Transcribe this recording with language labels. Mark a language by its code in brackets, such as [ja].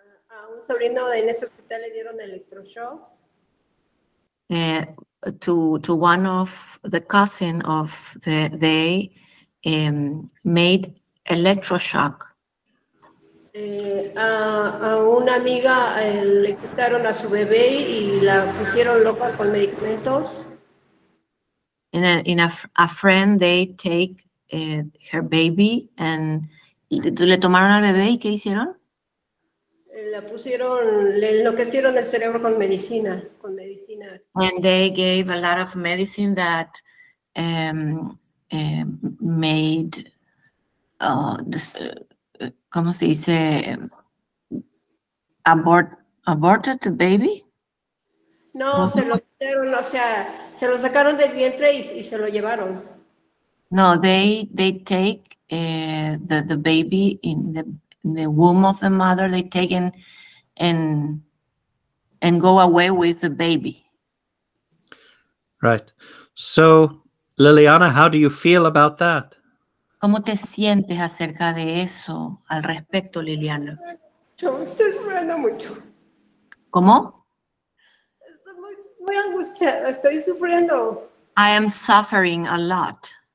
[es] A un sobrino de ese hospital le dieron electroshocks. [en] To one of the cousin of the they made electroshock. [es] A una amiga le quitaron a su bebé y la pusieron loca con medicamentos. [en] In a friend they take her baby and [es] le tomaron al bebé y ¿qué hicieron? Le enloquecieron el cerebro con medicina. [en] And they gave a lot of medicine that made [es] ¿cómo se dice? [en] aborted the baby? [es] No, no, se lo quitaron, o sea, se lo sacaron del vientre y se lo llevaron. [en] No, they take the baby in the womb of the mother, they take and go away with the baby. Right. So, Liliana, how do you feel about that? [es] ¿Cómo te sientes acerca de eso, al respecto, Liliana? Yo estoy sufriendo mucho. ¿Cómo? Estoy muy angustiada, estoy sufriendo. [en] I am suffering a lot.